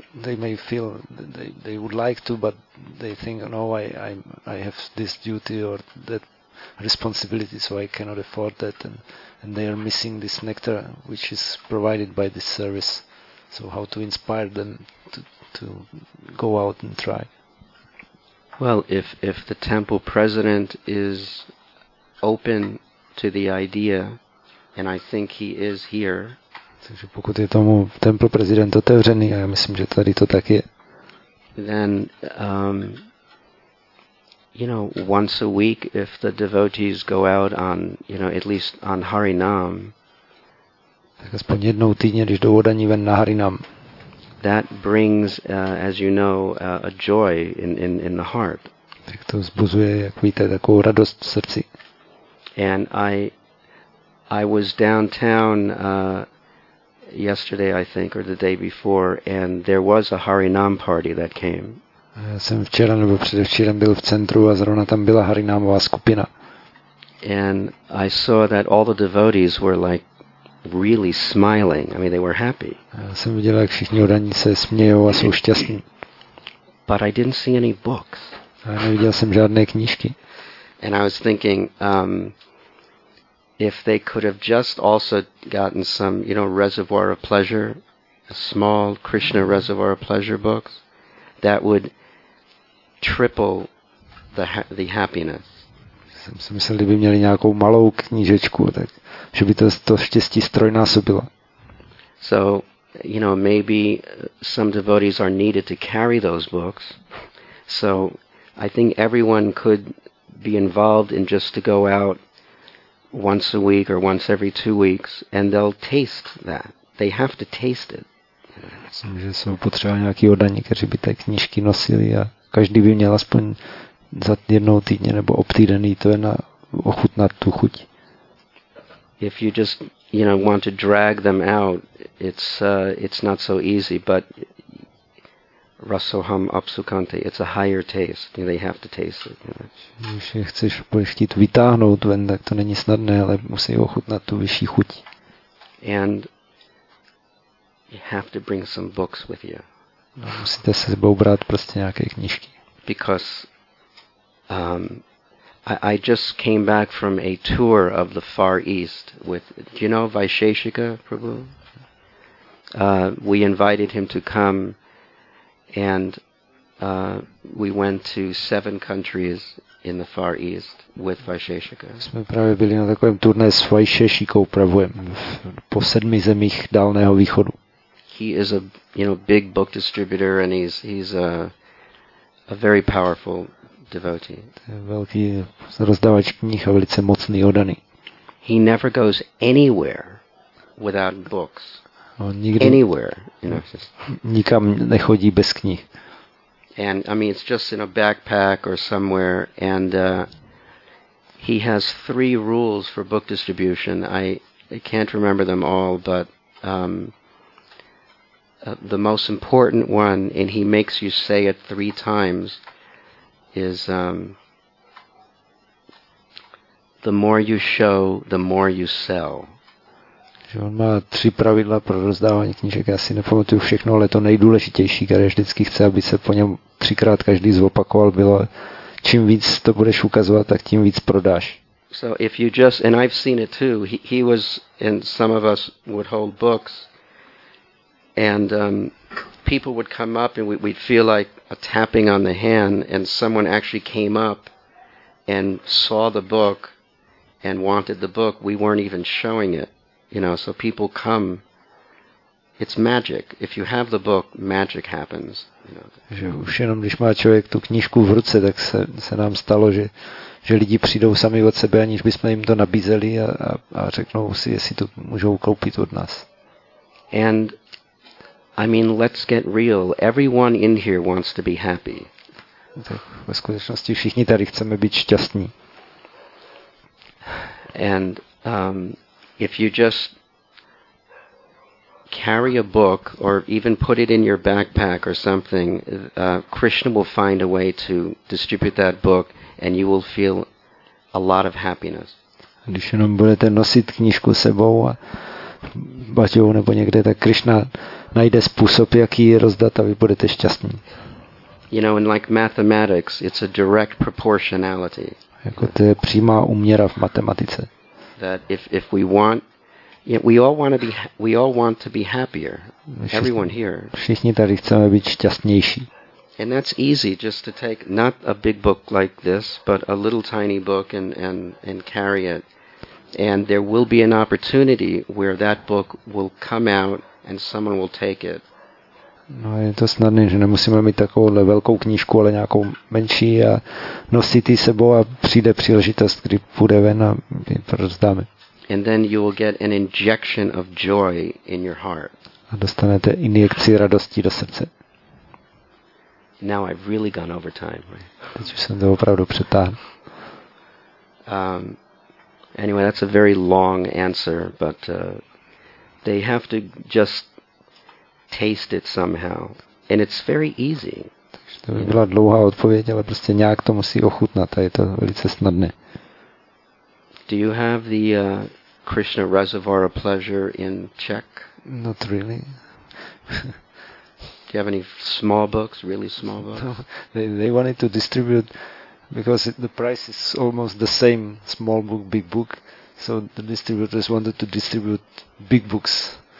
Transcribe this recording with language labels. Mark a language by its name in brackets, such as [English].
[English] They may feel they would like to, but they think, no, I have this duty or that responsibility, so I cannot afford that, and they are missing this nectar which is provided by this service. So how to inspire them to go out and try? Well, if the temple president is open to the idea, and I think he is here. [Czech] Takže pokud je tomu temple prezident otevřený, a já myslím, že tady to tak je. [English] Then, you know, once a week, if the devotees go out on, you know, at least on Harinam. [Czech] Tak aspoň jednou týdně, když jdou odaní ven na Harinam. [English] That brings, as you know, a joy in the heart. [Czech] Tak to vzbuzuje, jak víte, takovou radost v srdci. [English] And I was downtown yesterday, I think, or the day before, and there was a Harinam party that came. [Czech] Já jsem včera nebo předevčírem byl v centru a zrovna tam byla Harinámová skupina. [English] And I saw that all the devotees were like really smiling. I mean, they were happy. [Czech] Já jsem viděl, jak všichni odaní se smějou a jsou šťastní. [English] But I didn't see any books. [Czech] A neviděl jsem žádné knížky. [English] And I was thinking, if they could have just also gotten some, you know, reservoir of pleasure, a small Krishna reservoir of pleasure books, that would triple the happiness. [Czech] Jsem si myslel, kdyby měli nějakou malou knížečku, tak že by to štěstí strojnásobilo. [English] So, you know, maybe some devotees are needed to carry those books. So, I think everyone could be involved in just to go out once a week or once every 2 weeks and they'll taste that. They have to taste it. [Czech] Myslím, že jsou potřeba nějaký oddaní, kteří by ty knížky nosili a každý by měl aspoň za jednou týdně nebo ob týden jít ven a ochutnat tu chuť. [English] If you just, you know, want to drag them out, it's not so easy, but [Sanskrit] rasoham apsukante, [English] it's a higher taste, you know, they have to taste it. [Czech] Když je chceš chtít vytáhnout ven, tak to není snadné, ale musí ochutnat tu vyšší chuť. [English] And you have to bring some books with you. [Czech] No, musíte se sebou brát prostě nějaké knížky. [English] Because I just came back from a tour of the Far East with, do you know Vaisheshika Prabhu? We invited him to come and we went to 7 countries in the Far East with Vaisheshika. [Czech] Jsme právě byli na takovém turné s Vaisheshikou Prabhuem po 7 zemích Dálného východu. [English] He is a, you know, big book distributor and he's a very powerful devotee. [Czech] Velký rozdavač knih a velice mocný oddaný. [English] He never goes anywhere without books. [Czech] On nikdy [English] anywhere, you know. [Czech] Nikam nechodí bez knih. [English] And I mean, it's just in a backpack or somewhere, and he has 3 rules for book distribution. I can't remember them all, but the most important one, and he makes you say it 3 times, is the more you show, the more you sell. [Czech] Že on má tři pravidla pro rozdávání knížek, já si nepamatuju všechno, ale to nejdůležitější, které vždycky chce, aby se po něm třikrát každý zopakoval, bylo, čím víc to budeš ukazovat, tak tím víc prodáš. [English] So if you just, and I've seen it too, he was, and some of us would hold books, and people would come up and we'd feel like a tapping on the hand, and someone actually came up and saw the book and wanted the book, we weren't even showing it. You know, so people come. It's magic. If you have the book, magic happens. [Czech] Že už jenom, když má člověk tu knížku v ruce, tak se nám stalo, že lidi přijdou sami od sebe, aniž bychom jim to nabízeli a řeknou si, jestli to můžou koupit od nás. [English] And I mean, let's get real. Everyone in here wants to be happy. [Czech] Tak ve skutečnosti všichni tady chceme být šťastní. [English] And if you just carry a book or even put it in your backpack or something, Krishna will find a way to distribute that book and you will feel a lot of happiness. [Czech] Když jenom budete nosit knížku sebou a baťou nebo někde, tak Krishna najde způsob, jak ji rozdat a vy budete šťastní. [English] You know, and like mathematics, it's a direct proportionality. [Czech] Jako to je přímá úměra v matematice. [English] That if we want, you know, we all want to be happier. Everyone here. [Czech] Všichni tady chceme být šťastnější. [English] And that's easy, just to take not a big book like this, but a little tiny book and carry it. And there will be an opportunity where that book will come out and someone will take it. [Czech] No, je to snadné, že nemusíme mít takovouhle velkou knížku, ale nějakou menší a nosit ji sebou a přijde příležitost, kdy půjde ven a my rozdáme. [English] And then you will get an injection of joy in your heart. [Czech] A dostanete injekci radosti do srdce. [English] Now I've really gone over time. [Czech] Teď už jsem to opravdu přetáhl. [English] Anyway, that's a very long answer, but they have to just taste it somehow, and it's very easy. [Czech] To by byla dlouhá odpověď, ale prostě nějak to musí ochutnat a je to velice snadné. [English] Do you have the Krishna Reservoir of Pleasure in Czech? Not really. Do you have any small books, really small books? No, they wanted to distribute, because the price is almost the same, small book, big book, so the distributors wanted to distribute big books.